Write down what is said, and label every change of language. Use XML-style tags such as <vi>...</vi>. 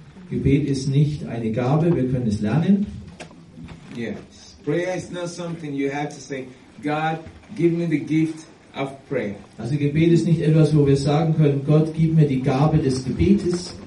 <de>Gebet ist nicht eine Gabe, wir können es lernen.</de> <en>Yes. Prayer is not something you have to say, God, give me the gift of prayer.</en> <de>Also Gebet ist nicht etwas, wo wir sagen können, Gott, gib mir die Gabe des Gebetes.</de>